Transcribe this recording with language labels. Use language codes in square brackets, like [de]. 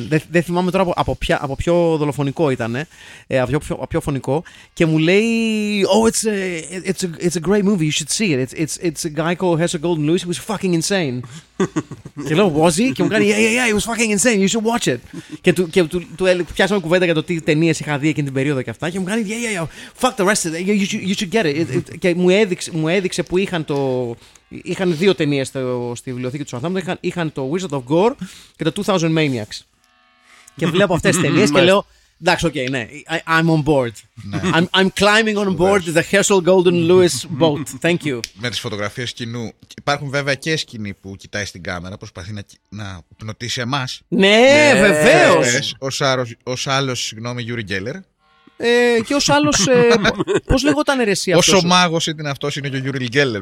[el] Δεν θυμάμαι τώρα από ποιο δολοφονικό ήταν, από ποιο φωνικό. Και μου λέει, [en] oh, it's a great movie, you should see it. It's a guy called Harris & Gordon Lewis, he was fucking insane. [el] Και λέω, [en] was he? [el] Και μου κάνει, [en] yeah, he was fucking insane, you should watch it. [el] Και του πιάσαμε κουβέντα για το τι ταινίες είχα δει εκείνη την περίοδο και αυτά. Και μου κάνει, [en] yeah, fuck the rest of it, you should get it. [el] Και μου έδειξε που είχαν το. Είχαν δύο ταινίες στη βιβλιοθήκη του Southampton. Είχαν το Wizard of Gore και το 2000 Maniacs. Και βλέπω αυτές τις ταινίες και λέω, εντάξει, okay, ναι, [en] I'm on board. I'm climbing on board the Herschel Golden Lewis boat. Thank you. [el] Με τις φωτογραφίες κοινού. Υπάρχουν βέβαια και σκηνή που κοιτάει στην κάμερα, προσπαθεί να πνοτήσει εμάς. Ναι, βεβαίως. Ως άλλος, συγγνώμη, Γιούρι Γκέλλερ. Και ως άλλος, πώς λεγόταν αιρεσί αυτός. Όσο μάγος ήταν αυτός, είναι και ο Γιούρι Γκέλλερ.